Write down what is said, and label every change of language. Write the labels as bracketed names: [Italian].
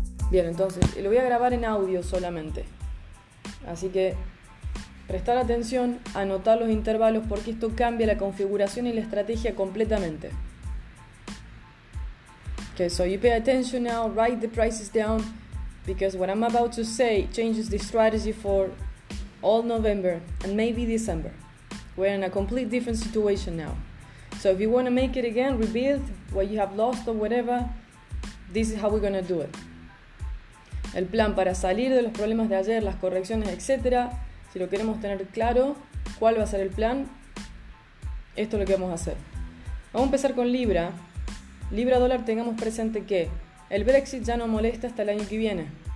[Spanish] Bien, entonces lo voy a grabar en audio solamente. Así que prestar atención, anotar los intervalos porque esto cambia la configuración y la estrategia completamente. [English] Okay, so you pay attention now, write the prices down, because what I'm about to say changes the strategy for all November and maybe December. We're in a complete different situation now. So if you want to make it again, rebuild what you have lost or whatever, this is how we're going to do it. [Spanish] El plan para salir de los problemas de ayer, las correcciones, etc. Si lo queremos tener claro, cuál va a ser el plan, esto es lo que vamos a hacer. Vamos a empezar con Libra. Libra-dólar, tengamos presente que el Brexit ya no molesta hasta el año que viene.